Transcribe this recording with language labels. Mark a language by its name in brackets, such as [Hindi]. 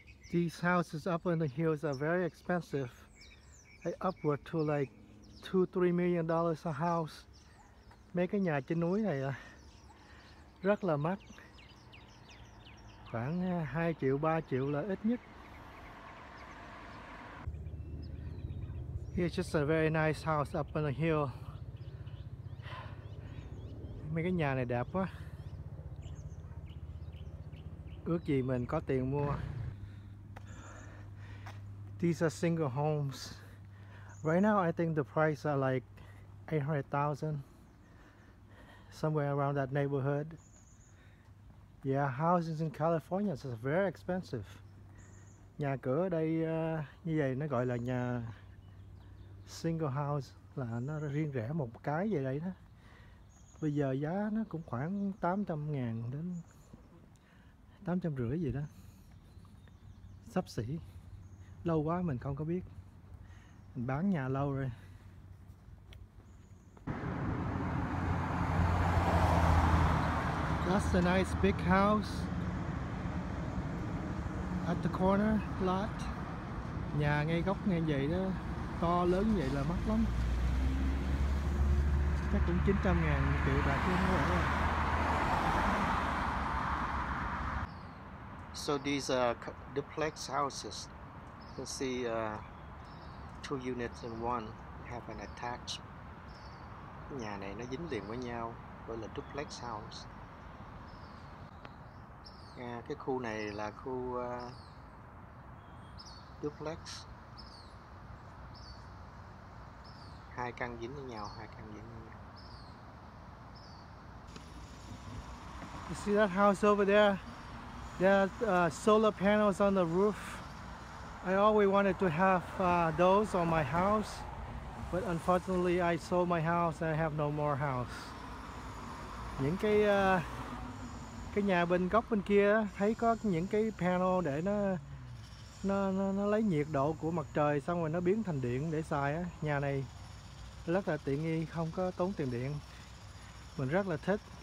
[English] These houses up in the hills are very expensive. They upward to like $2-3 million a house. [Vietnamese] Mấy cái nhà trên núi này rất là mắc, khoảng 2-3 triệu là ít nhất. [English] Here's just a very nice house up on the hill. [Vietnamese] Mấy cái nhà này đẹp quá, ước gì mình có tiền mua. [English] These are single homes. Right now, I think the price are like 800,000, somewhere around that neighborhood. Yeah, houses in California is very expensive. [Vietnamese] Nhà cửa ở đây như vậy nó gọi là nhà single house, là nó riêng rẻ một cái vậy đấy đó. Bây giờ giá nó cũng khoảng 800,000 đến 850,000 gì đó, sắp xỉ. Lâu quá mình không có biết. Mình bán nhà lâu rồi. [English] That's a nice big house at the corner lot. [Vietnamese] Nhà ngay góc ngay vậy đó, to lớn vậy là mắc lắm. Chắc cũng 900,000 triệu bạc chứ không phải. [English] So these are duplex houses. You see two units in one have an attached. [Vietnamese] Nhà này nó dính liền với nhau, gọi là duplex house. À, cái khu này là khu duplex. Hai căn dính với nhau. [English] You see that house over there? There are solar panels on the roof. I always wanted to have those on my house, but unfortunately I sold my house and I have no more house. [Vietnamese] Những cái nhà bên góc bên kia thấy có những cái panel để nó lấy nhiệt độ của mặt trời xong rồi nó biến thành điện để xài á. Nhà này rất là tiện nghi, không có tốn tiền điện. Mình rất là thích.